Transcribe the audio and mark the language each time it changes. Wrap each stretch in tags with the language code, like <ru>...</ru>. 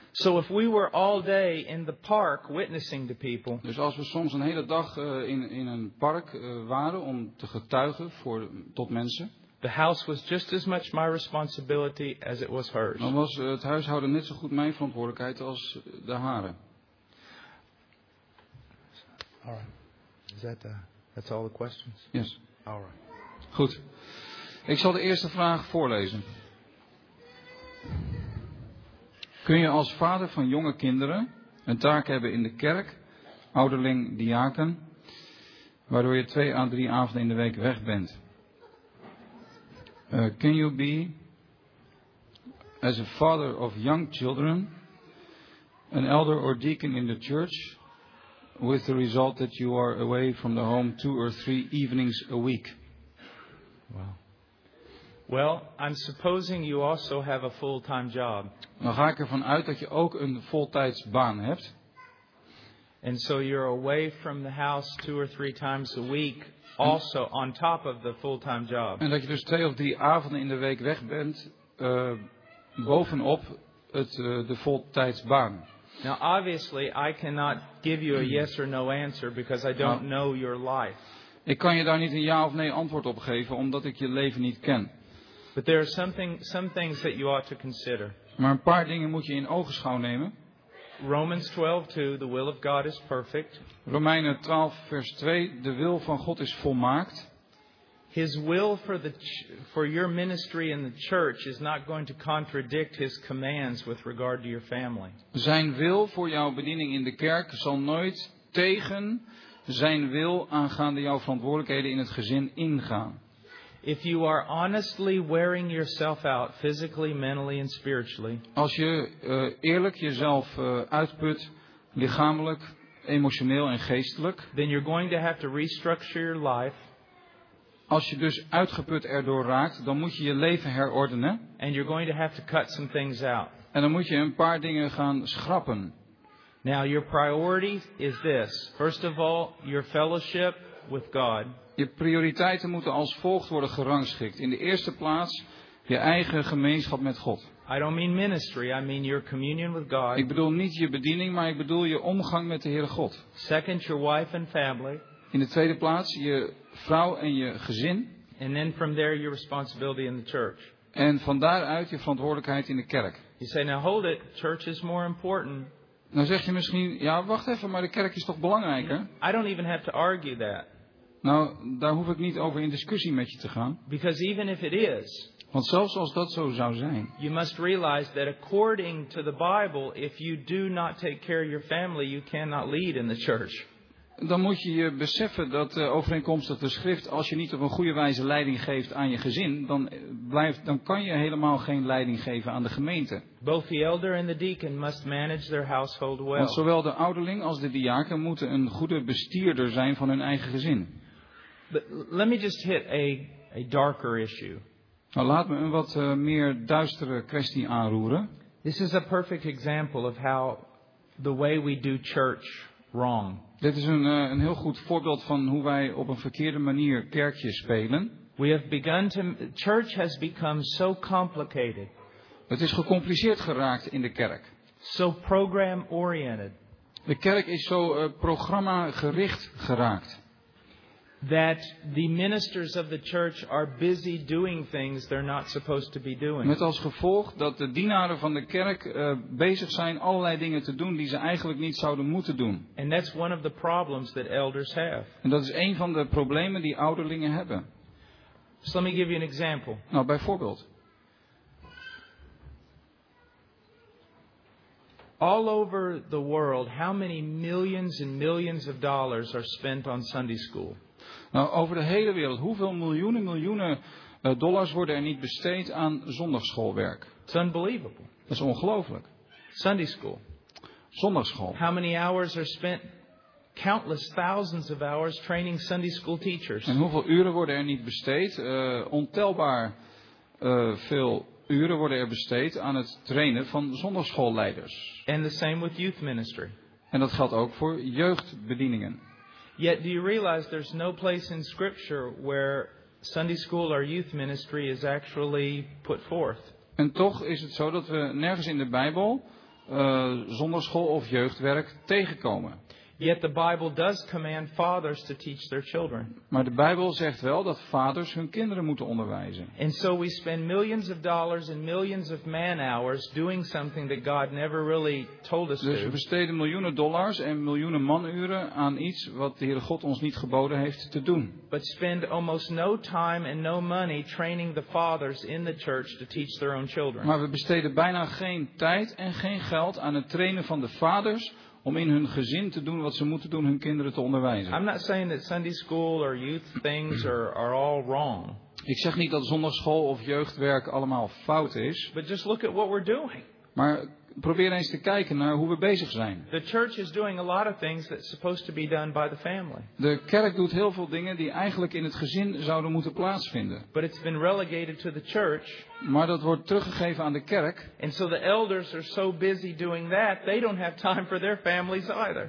<en>So if we were all day in the park witnessing to people.</en> <nl>Dus als we soms een hele dag in een park waren om te getuigen tot mensen.</nl> <en>The house was just as much my responsibility as it was hers.</en> <nl>Dan was het huishouden net zo goed mijn verantwoordelijkheid als de hare.</nl> <en>All right. That's all the questions? Yes. All right.</en> <nl>Goed. Ik zal de eerste vraag voorlezen. Kun je als vader van jonge kinderen een taak hebben in de kerk, ouderling, diaken, waardoor je 2 à 3 avonden in de week weg bent?</nl> <en>Can you be, as a father of young children, an elder or deacon in the church, with the result that you are away from the home 2 or 3 evenings a week? Wow. Well, I'm supposing you also have a full-time job.</en> <nl>Dan ga ik ervan uit dat je ook een voltijdsbaan hebt.</nl> <en>And so you're away from the house 2 or 3 times a week. Also on top of the full-time job.</en> <nl>En dat je dus 2 of 3 avonden in de week weg bent, bovenop de voltijdsbaan.</nl> <en>Now obviously I cannot give you a yes or no answer because I don't know your life.</en> <nl>Ik kan je daar niet een ja of nee antwoord op geven omdat ik je leven niet ken.</nl> <en>But there are some things that you ought to consider.</en> <nl>Maar een paar dingen moet je in ogenschouw nemen.</nl> <en>Romans 12:2, the will of God is perfect.</en> <nl>Romeinen 12 vers 2, de wil van God is volmaakt.</nl> <en>His will for your ministry in the church is not going to contradict his commands with regard to your family.</en> <nl>Zijn wil voor jouw bediening in de kerk zal nooit tegen zijn wil aangaande jouw verantwoordelijkheden in het gezin ingaan.</nl> <en>If you are honestly wearing yourself out physically, mentally and spiritually.</en> <nl>Als je eerlijk jezelf uitput lichamelijk, emotioneel en geestelijk.</nl> <en>Then you're going to have to restructure your life.</en> <nl>Als je dus uitgeput erdoor raakt, dan moet je je leven herordenen.</nl> <en>And you're going to have to cut some things out.</en> <nl>En dan moet je een paar dingen gaan schrappen.</nl> <en>Now your priority is this. First of all, your fellowship with God.</en> <nl>Je prioriteiten moeten als volgt worden gerangschikt. In de eerste plaats je eigen gemeenschap met God.</nl> <en>I don't mean ministry, I mean your communion with God.</en> <nl>Ik bedoel niet je bediening, maar ik bedoel je omgang met de Heere God.</nl> <en>Second, your wife and family.</en> <nl>In de tweede plaats je vrouw en je gezin.</nl> <en>And then from there your responsibility in the church.</en> <nl>En van daaruit je verantwoordelijkheid in de kerk.</nl> <en>You say, now hold it, church is more important.</en> <nl>Dan zeg je misschien, ja, wacht even, maar de kerk is toch belangrijker?</nl> <en>I don't even have to argue that.</en> <nl>Nou, daar hoef ik niet over in discussie met je te gaan.</nl> <en>Because even if it is,</en> <nl>want zelfs als dat zo zou zijn,</nl> <en>you must realize that according to the Bible, if you do not take care of your family, you cannot lead in the church.</en> <nl>Dan moet je je beseffen dat overeenkomstig de schrift, als je niet op een goede wijze leiding geeft aan je gezin, dan kan je helemaal geen leiding geven aan de gemeente.</nl> <en>Both the elder and the deacon must manage their household well.</en> <nl>Want zowel de ouderling als de diaken moeten een goede bestierder zijn van hun eigen gezin.</nl> <en>But let me just hit a darker issue.</en> <nl>Nou, laat me een wat meer duistere kwestie aanroeren.</nl> <en>This is a perfect example of how the way we do church wrong.</en> <nl>Dit is een heel goed voorbeeld van hoe wij op een verkeerde manier kerkje spelen.</nl> <en>We have begun to, church has become so complicated.</en> <nl>Het is gecompliceerd geraakt in de kerk.</nl> <en>So program oriented.</en> <nl>De kerk is zo programma gericht geraakt.</nl> <en>That the ministers of the church are busy doing things they're not supposed to be doing.</en> <nl>Met als gevolg dat de dienaren van de kerk bezig zijn allerlei dingen te doen die ze eigenlijk niet zouden moeten doen.</nl> <en>And that's one of the problems that elders have.</en> <nl>En dat is een van de problemen die ouderlingen hebben.</nl> <en>So let me give you an example.</en> <nl>Nou, bijvoorbeeld.</nl> <en>All over the world, how many millions and millions of dollars are spent on Sunday school?</en> <nl>Nou, over de hele wereld, hoeveel miljoenen dollars worden er niet besteed aan zondagsschoolwerk?</nl> <en>It's unbelievable.</en> <nl>Dat is ongelooflijk.</nl> <en>Sunday school.</en> <nl>Zondagsschool.</nl> <en>How many hours are spent, countless thousands of hours training Sunday school teachers?</en> <nl>En hoeveel uren worden er niet besteed? Ontelbaar veel uren worden er besteed aan het trainen van zondagsschoolleiders.</nl> <en>And the same with youth ministry.</en> <nl>En dat geldt ook voor jeugdbedieningen.</nl> <en>Yet do you realize there's no place in scripture where Sunday school or youth ministry is actually put forth.</en> <nl>En toch is het zo dat we nergens in de Bijbel zondagsschool of jeugdwerk tegenkomen.</nl> <en>Yet the Bible does command fathers to teach their children.</en> <nl>Maar de Bijbel zegt wel dat vaders hun kinderen moeten onderwijzen.</nl> <en>And so we spend millions of dollars and millions of man hours doing something that God never really told us to.</en> <nl>Dus we besteden miljoenen dollars en miljoenen manuren aan iets wat de Heere God ons niet geboden heeft te doen.</nl> <en>But spend almost no time and no money training the fathers in the church to teach their own children.</en> <nl>Maar we besteden bijna geen tijd en geen geld aan het trainen van de vaders om in hun gezin te doen wat ze moeten doen, hun kinderen te onderwijzen.</nl> <en>I'm not saying that Sunday school or youth things are all wrong.</en> <nl>Ik zeg niet dat zondagsschool of jeugdwerk allemaal fout is.</nl> <en>But just look at what we're doing.</en> <nl>Maar probeer eens te kijken naar hoe we bezig zijn.</nl> <en>The church is doing a lot of things that's supposed to be done by the family.</en> <nl>De kerk doet heel veel dingen die eigenlijk in het gezin zouden moeten plaatsvinden.</nl> <en>But it's been relegated to the church.</en> <nl>Maar dat wordt teruggegeven aan de kerk.</nl> <en>And so the elders are so busy doing that, they don't have time for their families either.</en>